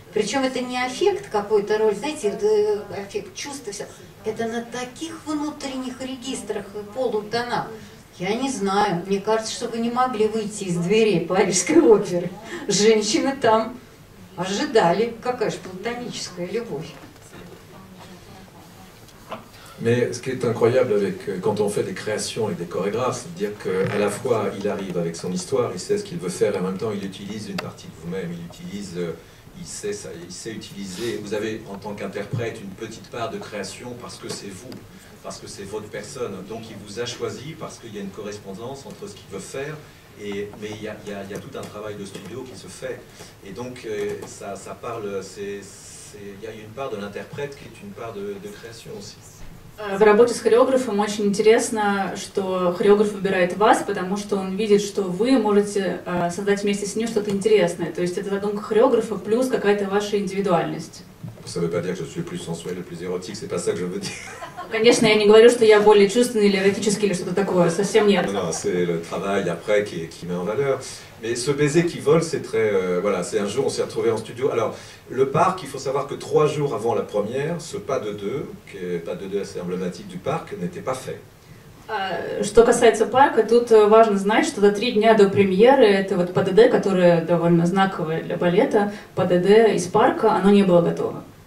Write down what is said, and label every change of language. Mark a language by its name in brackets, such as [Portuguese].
[Russian] Причем это не аффект какой-то роль, знаете, аффект чувства, все. Это на таких внутренних регистрах и полутонах. Я не знаю, мне кажется, что вы не могли выйти из дверей Парижской оперы. Женщины там ожидали, какая же платоническая любовь. [French] Mais ce qui est incroyable avec, quand on fait des créations avec des chorégraphes, c'est de dire qu'à la fois il arrive avec son histoire, il sait ce qu'il veut faire, et en même temps il utilise une partie de vous-même, il sait utiliser. Vous avez en tant qu'interprète une petite part de création parce que c'est vous, parce que c'est votre personne. Donc il vous a choisi parce qu'il y a une correspondance entre ce qu'il veut faire, mais il y a tout un travail de studio qui se fait. Et donc ça parle, il y a une part de l'interprète qui est une part de création aussi. [Russian] В работе с хореографом очень интересно, что хореограф выбирает вас, потому что он видит, что вы можете создать вместе с ним что-то интересное. То есть это задумка хореографа плюс какая-то ваша индивидуальность. [French] Ça veut pas dire que je suis plus sensuel, plus érotique, c'est pas ça que je veux dire. [Russian] Конечно, я не говорю, что я более чувственный или эротический, или что-то такое, совсем нет. [French] Non, c'est le travail après qui met en valeur. Mais ce baiser qui vole, c'est très... voilà, c'est un jour, on s'est retrouvé en studio. Alors, le parc, il faut savoir que trois jours avant la première, ce pas de deux, qui est pas de deux assez emblématique du parc, n'était pas fait. [Russian] Что касается парка, тут важно знать, что за три дня до премьеры, это вот ПДД, которое довольно знаковое для балета, ПДД из парка, оно не было готово.